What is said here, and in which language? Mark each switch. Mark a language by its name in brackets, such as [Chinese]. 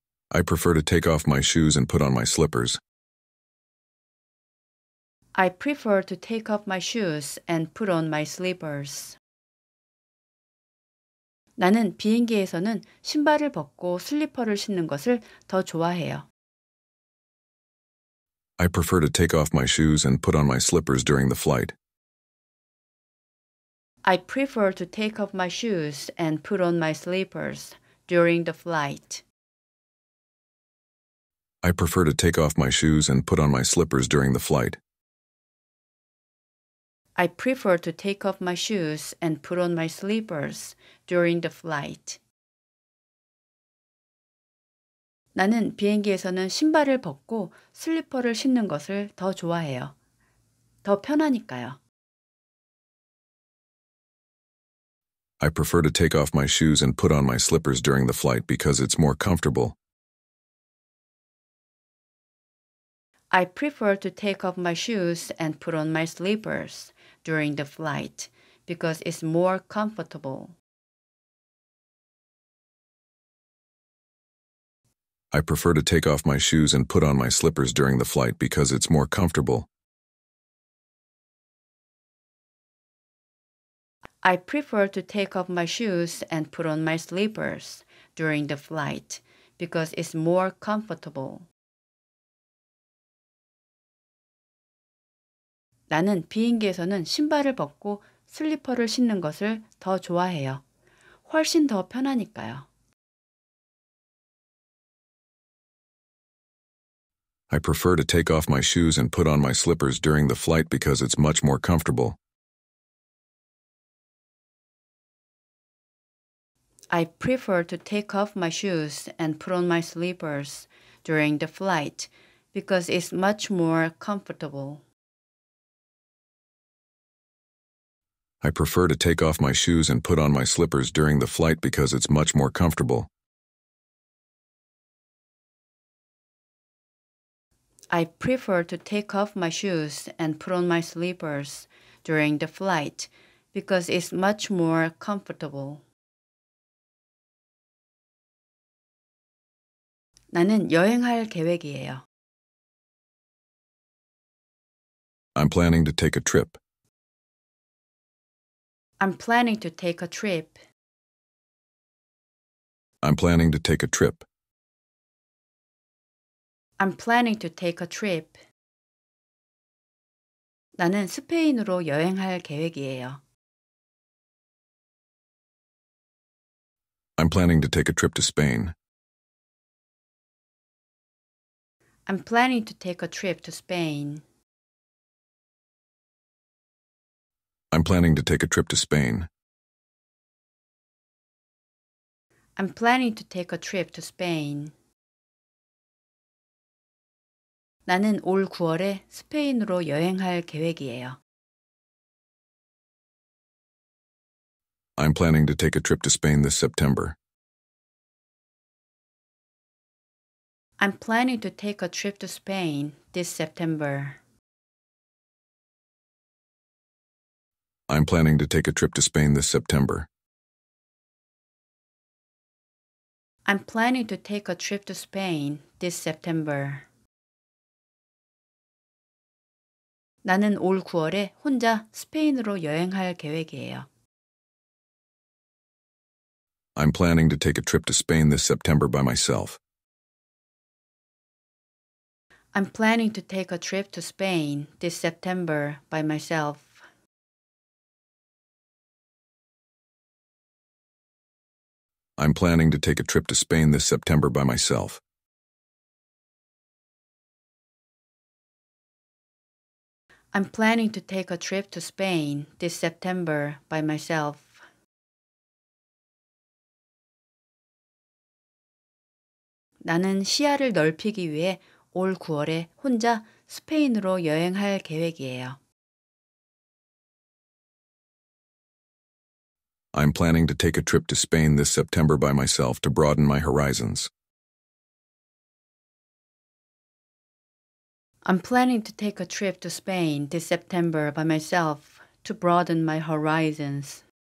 [English] I prefer to take off my shoes and put on my slippers. I prefer to take off my shoes and put on my slippers. [Korean] 나는 비행기에서는 신발을 벗고 슬리퍼를 신는 것을 더 좋아해요. [English] I prefer to take off my shoes and put on my slippers during the flight. I prefer to take off my shoes and put on my slippers during the flight. I prefer to take off my shoes and put on my slippers during the flight. I prefer to take off my shoes and put on my slippers during the flight. [Korean] 나는 비행기에서는 신발을 벗고 슬리퍼를 신는 것을 더 좋아해요. 더 편하니까요. [English] I prefer to take off my shoes and put on my slippers during the flight because it's more comfortable. I prefer to take off my shoes and put on my slippers during the flight because it's more comfortable. I prefer to take off my shoes and put on my slippers during the flight because it's more comfortable. I prefer to take off my shoes and put on my slippers during the flight because it's more comfortable. [Korean] 나는 비행기에서는 신발을 벗고 슬리퍼를 신는 것을 더 좋아해요. 훨씬 더 편하니까요. [English] I prefer to take off my shoes and put on my slippers during the flight because it's much more comfortable. I prefer to take off my shoes and put on my slippers during the flight because it's much more comfortable. I prefer to take off my shoes and put on my slippers during the flight because it's much more comfortable. I prefer to take off my shoes and put on my slippers during the flight because it's much more comfortable. [Korean] 나는 여행할 계획이에요. [English] I'm planning to take a trip. I'm planning to take a trip. I'm planning to take a trip. I'm planning to take a trip. [Korean] 나는 스페인으로 여행할 계획이에요. [English] I'm planning to take a trip to Spain. I'm planning to take a trip to Spain. I'm planning to take a trip to Spain. I'm planning to take a trip to Spain. [Korean] 나는 올 9월에 스페인으로 여행할 계획이에요. [English] I'm planning to take a trip to Spain this September. I'm planning to take a trip to Spain this September. I'm planning to take a trip to Spain this September. I'm planning to take a trip to Spain this September. [Korean] 나는 올 9월에 혼자 스페인으로 여행할 계획이에요. [English] I'm planning to take a trip to Spain this September by myself. I'm planning to take a trip to Spain this September by myself. I'm planning to take a trip to Spain this September by myself. I'm planning to take a trip to Spain this September by myself. I'm planning to take a trip to Spain this September by myself. [Korean] 나는 시야를 넓히기 위해 올 9월에 혼자 스페인으로 여행할 계획이에요. [English] I'm planning to take a trip to Spain this September by myself to broaden my horizons. I'm planning to take a trip to Spain this September by myself to broaden my horizons.